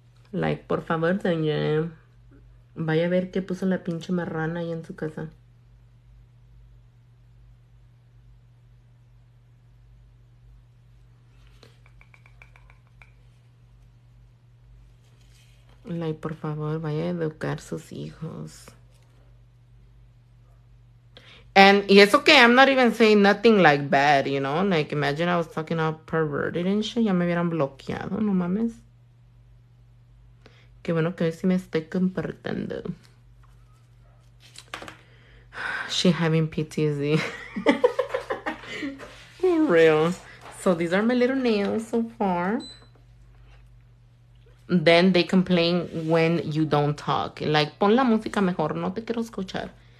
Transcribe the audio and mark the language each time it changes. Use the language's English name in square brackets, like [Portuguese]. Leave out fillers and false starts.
[Spanish] Like, por favor, señora. Vaya a ver qué puso la pinche marrana ahí en su casa. Like, por favor, vaya a educar a sus hijos. [English] And it's okay, I'm not even saying nothing like bad, you know? Like, imagine I was talking all perverted and shit. [Spanish] Ya me hubieran bloqueado, no mames. Qué bueno que hoy sí me estoy comportando. [English] She having PTSD. For real. So these are my little nails so far. Then they complain when you don't talk. [Spanish] Like, pon la música mejor, no te quiero escuchar.